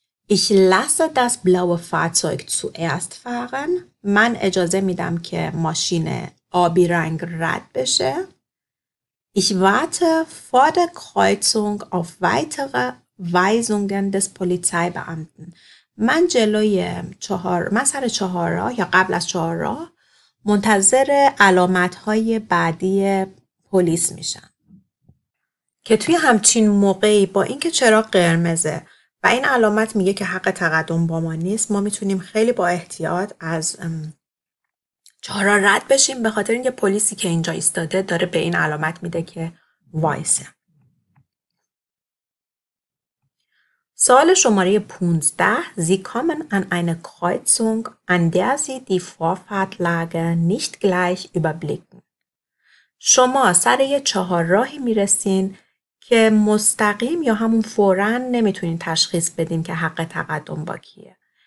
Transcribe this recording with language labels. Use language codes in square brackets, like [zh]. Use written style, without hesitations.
[de] Ich lasse das blaue Fahrzeug zuerst fahren. [fa] من اجازه میدم که ماشین آبی رنگ رد بشه. [de] Ich warte vor der Kreuzung auf weitere Weisungen des Polizeibeamten. [fa] من جلوی چهار، من سر چهار راه یا قبل از چهار راه منتظر علامت های بعدی پلیس میشن. که توی همچین موقعی با اینکه چراغ قرمزه و این علامت میگه که حق تقدم با ما نیست، ما میتونیم خیلی با احتیاط از چهارراه رد بشیم، به خاطر اینکه پلیسی که اینجا ایستاده داره به این علامت میده که وایسه. سوال شماره [de] 15: Sie kommen an eine Kreuzung, an der Sie die Vorfahrtlage nicht gleich überblicken. [fa] شما سر یه چهارراهی میرسین که مستقیم یا همون فوراً نمیتونین تشخیص بدین که حق تقدم با کیه.